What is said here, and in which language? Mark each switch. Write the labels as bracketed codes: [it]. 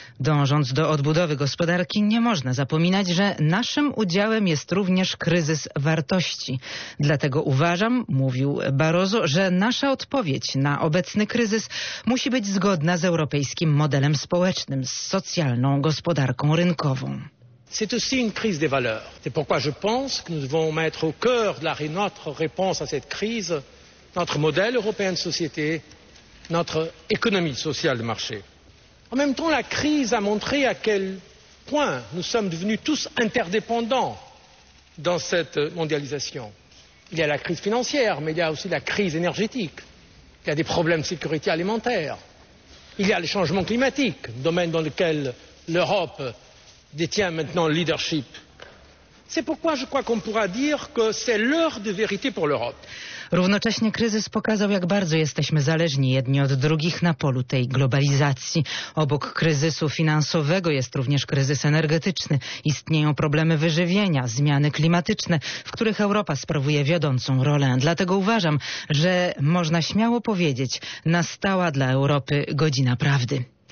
[pl] Dążąc do odbudowy gospodarki, nie można zapominać, że naszym udziałem jest również kryzys wartości. Dlatego uważam, mówił Barroso, że nasza odpowiedź na obecny kryzys musi być zgodna z europejskim modelem społecznym, z socjalną gospodarką rynkową. [fr] C'est aussi une crise des valeurs. C'est pourquoi je pense que nous devons mettre au cœur de notre réponse à cette crise notre modèle européen de société, notre économie sociale de marché. En même temps, la crise a montré à quel point nous sommes devenus tous interdépendants dans cette mondialisation. Il y a la crise financière, mais il y a aussi la crise énergétique. Il y a des problèmes de sécurité alimentaire. Il y a le changement climatique, domaine dans lequel l'Europe détient maintenant le leadership. C'est pourquoi je crois qu'on pourra dire que c'est l'heure de vérité pour l'Europe. [pl] Równocześnie kryzys pokazał, jak bardzo jesteśmy zależni jedni od drugich na polu tej globalizacji. Obok kryzysu finansowego jest również kryzys energetyczny. Istnieją problemy wyżywienia, zmiany klimatyczne, w których Europa sprawuje wiodącą rolę. Dlatego uważam, że można śmiało powiedzieć, nastała dla Europy godzina prawdy.